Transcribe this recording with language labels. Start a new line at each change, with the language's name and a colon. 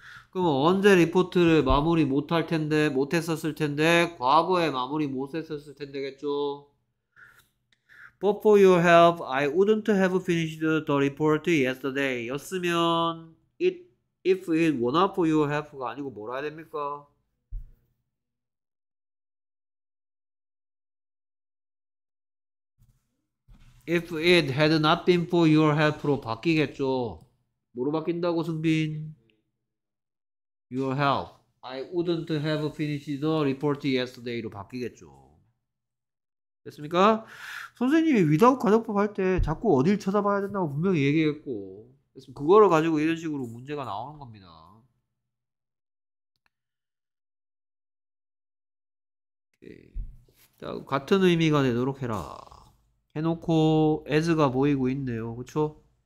Korean: 그럼 언제 리포트를 마무리 못할 텐데, 못했었을 텐데, 과거에 마무리 못했었을 텐데겠죠?
English: But for your help, I wouldn't have finished the report yesterday.
Korean: 였으면,
English: if it were not for your help가
Korean: 아니고 뭐라 해야 됩니까?
English: If it had not been for your help로
Korean: 바뀌겠죠. 뭐로 바뀐다고 승빈?
English: Your help. I wouldn't have finished the report yesterday로
Korean: 바뀌겠죠. 됐습니까? 선생님이 without 가정법 할때 자꾸 어딜 쳐다봐야 된다고 분명히 얘기했고, 그거를 가지고 이런 식으로 문제가 나오는 겁니다. 자, 같은 의미가 되도록 해라. 해놓고 as가 보이고 있네요. 그렇죠?